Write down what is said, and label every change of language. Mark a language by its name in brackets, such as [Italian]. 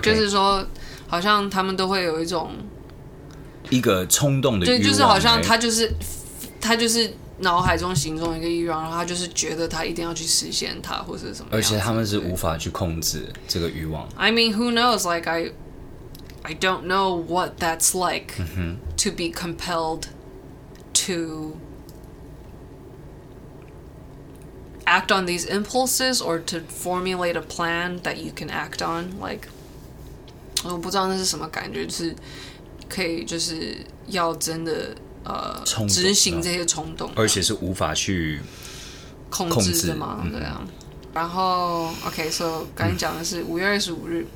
[Chinese] 就是说，好像他们都会有一种一个冲动的欲望，对，就是好像他就是脑海中形容一个欲望，然后他就是觉得他一定要去实现它，或者什么。而且他们是无法去控制这个欲望。 [English] I mean, who knows? Like, I I don't know what that's like、mm-hmm. to be compelled to act on these impulses or to formulate a plan that you can act on. [Chinese] Like, 我不知道那是什么感觉，就是可以就是要真的执行这些冲动，而且是无法去控制的嘛，对啊。嗯然后 ，OK， 所以刚刚讲的是5月25日。